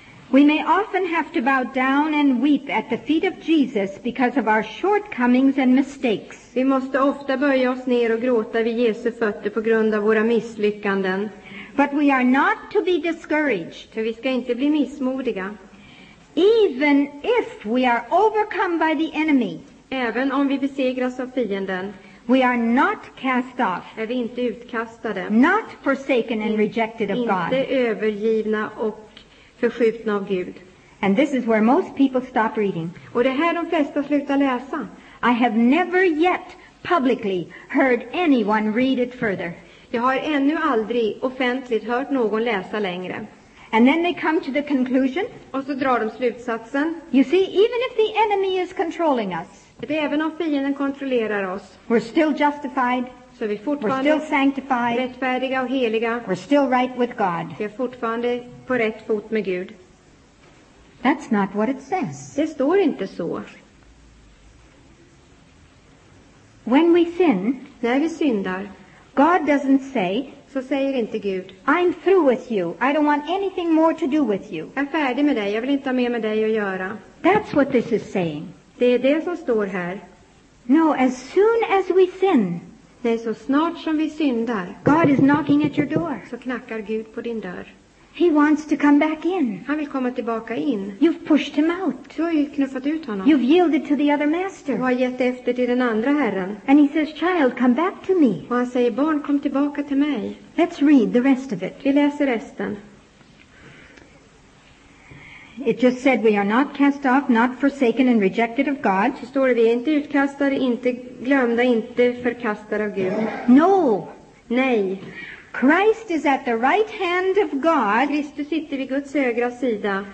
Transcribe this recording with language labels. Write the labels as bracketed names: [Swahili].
[English] We may often have to bow down and weep at the feet of Jesus because of our shortcomings and mistakes. [Swedish] Vi måste ofta böja oss ner och gråta vid Jesu fötter på grund av våra misslyckanden. [English] But we are not to be discouraged. [Swedish] För vi ska inte bli missmodiga. [English] Even if we are overcome by the enemy. [Swedish] Även om vi besegras av fienden. [English] We are not cast off. [Swedish] Är vi inte utkastade. [English] Not forsaken and rejected of God. [Swedish] Inte övergivna och förskjutna av Gud. [English] And this is where most people stop reading. [Swedish] Och det här de flesta slutar läsa. [English] I have never yet publicly heard anyone read it further. [Swedish] Jag har ännu aldrig offentligt hört någon läsa längre. [English] And then they come to the conclusion. [Swedish] Och så drar de slutsatsen. [English] You see, even if the enemy is controlling us, [Swedish] att även om fienden kontrollerar oss, [English] we're still justified. [Swedish] Så vi fortfarande, [English] we're still sanctified. [Swedish] Rättfärdiga och heliga. [English] We're still right with God. [Swedish] Vi är fortfarande på rätt fot med Gud. [English] That's not what it says. [Swedish] Det står inte så. [English] When we sin, [Swedish] när vi syndar, [English] God doesn't say, [Swedish] så säger inte Gud, [English] I'm through with you. I don't want anything more to do with you. [Swedish] Jag är färdig med dig. Jag vill inte ha mer med dig att göra. [English] That's what this is saying. [Swedish] Det är det som står här. [English] No, as soon as we sin, [Swedish] nej, så snart som vi syndar, [English] God is knocking at your door. [Swedish] Så knackar Gud på din dörr. [English] He wants to come back in. [Swedish] Han vill komma tillbaka in. [English] You've pushed him out. [Swedish] Du har ju knuffat ut honom. [English] You've yielded to the other master. [Swedish] Du har gett efter till den andra herren. [English] And he says, child, come back to me. [Swedish] Och han säger, barn, kom tillbaka till mig. [English] Let's read the rest of it. [Swedish] Vi läser resten. [English] It just said we are not cast off, not forsaken and rejected of God. [Swedish] Så står det, vi är inte utkastade, inte glömda, inte förkastade av Gud. [English] No. [Swedish] Nej. [English] Christ is at the right hand of God. [Swedish] Kristus sitter vid Guds högra sida.